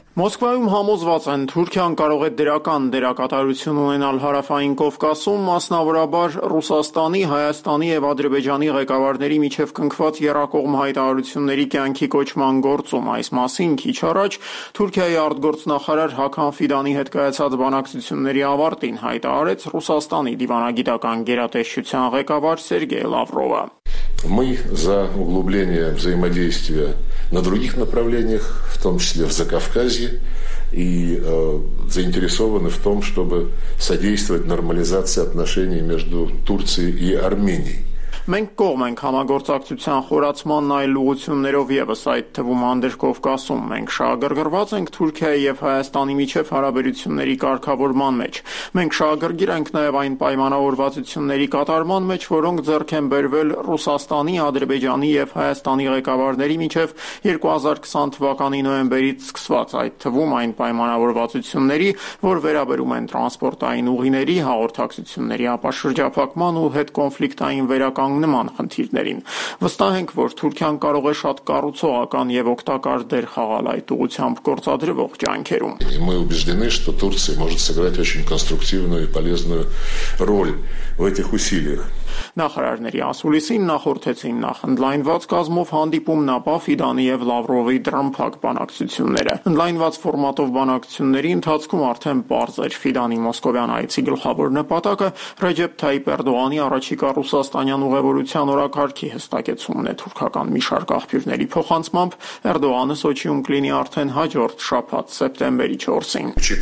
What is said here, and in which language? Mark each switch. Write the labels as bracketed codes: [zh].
[hy] Մոսկվայում համոզված են, Թուրքիան կարող է դրական դերակատարություն ունենալ Հարավային Կովկասում, մասնավորաբար Ռուսաստանի, Հայաստանի եւ Ադրբեջանի ղեկավարների միջև կնքված երկկողմ հայտարարությունների կյանքի կոչման գործում։ Այս մասին քիչ առաջ Թուրքիայի արտգործնախարար Հաքան Ֆիդանի հետ կայացած բանակցությունների ավարտին հայտարարեց Ռուսաստանի դիվանագիտական գերատեսչության ղեկավար Սերգեյ Լավրովը։ [ru] Мы за углубление взаимодействия на других направлениях, в том числе в Закавказье, и заинтересованы в том, чтобы содействовать нормализации отношений между Турцией и Арменией. [hy] Մենք կողմ ենք համագործակցության խորացման այլ ուղություններով եւս այդ թվում Անդերկովկասում։ Մենք շահագրգռված ենք Թուրքիայի եւ Հայաստանի միջև հարաբերությունների կարգավորման մեջ։ Մենք շահագրգիր ենք նաեւ այն պայմանավորվածությունների կատարման մեջ, որոնք ձեռք են բերվել Ռուսաստանի, Ադրբեջանի եւ Հայաստանի ղեկավարների միջև 2020 թվականի նոյեմբերից սկսված, այդ թվում այն պայմանավորվածությունների, որ վերաբերում են տրանսպորտային ուղիների, հաղորդակցությունների ապաշրջափակման ու հետ կոնֆլիկտային վերաբերյալ կանգնման խնդիրներին։ Վստահ ենք, որ Թուրքիան կարող է շատ կառուցողական եւ օգտակար դեր խաղալ այդ ուղությամբ գործադրվող ջանքերում։ [ru] Мы убеждены, что Турция может сыграть очень конструктивную и полезную роль в этих усилиях. [hy] Նախարարների ասուլիսին նախորդեցին նախընդլայնված կազմով հանդիպում ՆԱՊԱ, Ֆիդանի եւ Լավրովի դրամփակ բանակցությունները։ Ընդլայնված ֆորմատով բանակցությունների ընթացքում արդեն պարզ էր Ֆիդանի մոսկովյան այցի գլխավոր նպատակը՝ Ռեջեփ Թայիպ Էրդողանի առաջիկա ռուսաստանյան ուղևորության օրակարգի հստակեցումն է թուրքական մի շարք աղբյուրների փոխանցմամբ։ Էրդողանը Սոչիում կլինի արդեն հաջորդ շաբաթ, սեպտեմբերի 4-ին։